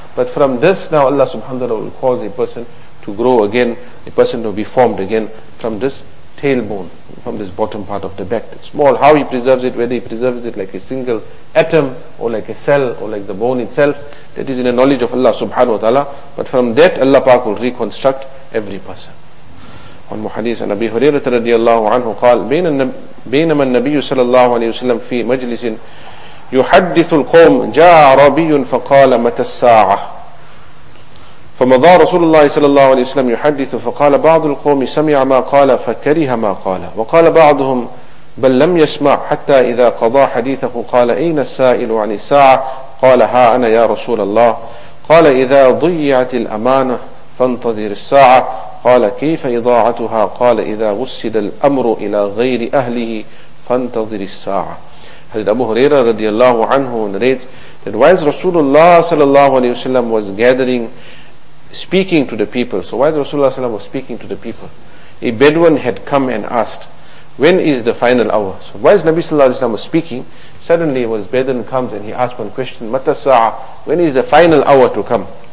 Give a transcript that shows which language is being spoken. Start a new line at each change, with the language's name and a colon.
English: But from this now Allah subhanahu wa ta'ala will cause a person to grow again, a person to be formed again from this tailbone, from this bottom part of the back. Small, how He preserves it, whether He preserves it like a single atom or like a cell or like the bone itself, that is in the knowledge of Allah subhanahu wa ta'ala. But from that Allah Pak will reconstruct every person. On Muhadith and Abi Hurairah radiallahu anhu qal,
Arabic: بينما النبي صلى الله عليه وسلم في مجلس يحدث القوم جاء عربي فقال متى الساعة فمضى رسول الله صلى الله عليه وسلم يحدث فقال بعض القوم سمع ما قال فكره ما قال وقال بعضهم بل لم يسمع حتى إذا قضى حديثه قال أين السائل عن الساعة قال ها أنا يا رسول الله قال إذا ضيعت الأمانة فانتظر الساعة قال كيف إضاعتها قال إذا وسد الأمر إلى غير أهله فانتظر الساعة. حضرت أبو هريرة رضي الله عنه
English: narrates that whilst Rasulullah sallallahu alayhi wasallam was gathering, speaking to the people, so whilst Rasulullah sallallahu alayhi wasallam was speaking to the people, a Bedouin had come and asked, when is the final hour? So whilst Nabi sallallahu alayhi wasallam was speaking, suddenly a Bedouin comes and he asked one question,
Arabic: Mata sa'a,
English: when is the final hour to come?